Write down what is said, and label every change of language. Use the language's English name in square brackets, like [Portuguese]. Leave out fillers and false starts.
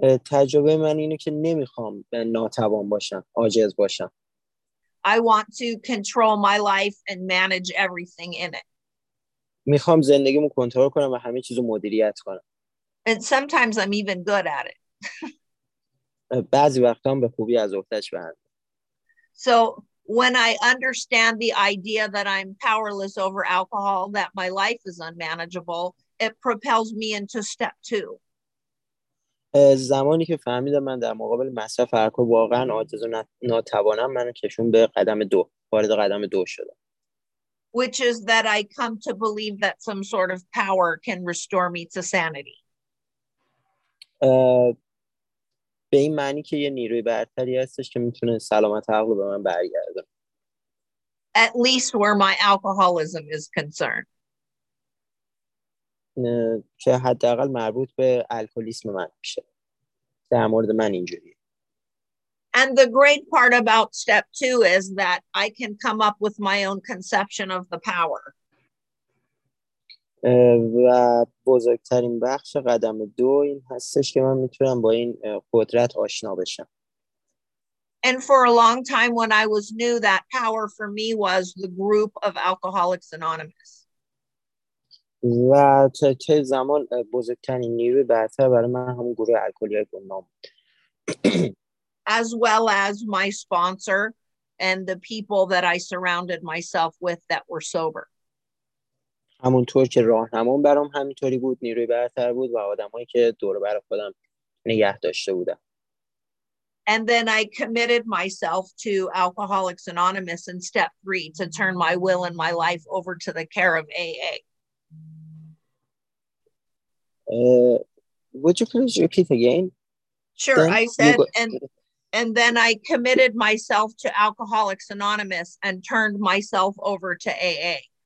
[Persian] تجربه من اینه که نمیخوام ناتوان باشم، عاجز باشم. [English] I want to control my life and manage everything in it. [Persian] میخوام زندگیمو کنترل کنم و همه چیزو مدیریت کنم. [English] And sometimes I'm even good at it. [Persian] بعضی وقتا هم به خوبی از عهده‌اش برمیام. [English] So when I understand the idea that I'm powerless over alcohol, that my life is unmanageable, it propels me into step two. [Persian] زمانی که فهمیدم من در مقابل مصرف الکل واقعا عاجز و ناتوانم منو کشون به قدم دو وارد قدم دو شدم. [English] Which is that I come to believe that some sort of power can restore me to sanity. [Persian] به این معنی که یه نیروی برتری هستش که میتونه سلامت عقل به من برگردونه. [English] At least where my alcoholism is concerned. [Persian] که حداقل مربوط به الکلیسم من میشه. در مورد من اینجوریه. [English] And the great part about step two is that I can come up with my own conception of the power. [Persian] و بزرگترین بخش قدم دو این هستش که من میتونم با این قدرت آشنا بشم. [English] And for a long time when I was new, that power for me was the group of Alcoholics Anonymous. [Persian] و تا زمان بزرگترین نیروی برتر برای من همون گروه الکلی‌های گمنام بود. [English] As well as my sponsor and the people that I surrounded myself with that were sober. [Persian] همونطور که راهنمام برام همینطوری بود، نیروی برتر بود و آدمایی که دور بر خودم نگه داشته بودم. [English] And then I committed myself to Alcoholics Anonymous in step three to turn my will and my life over to the care of AA. Would you please repeat again? Sure, then I said, and then I committed myself to Alcoholics Anonymous and turned myself over to AA.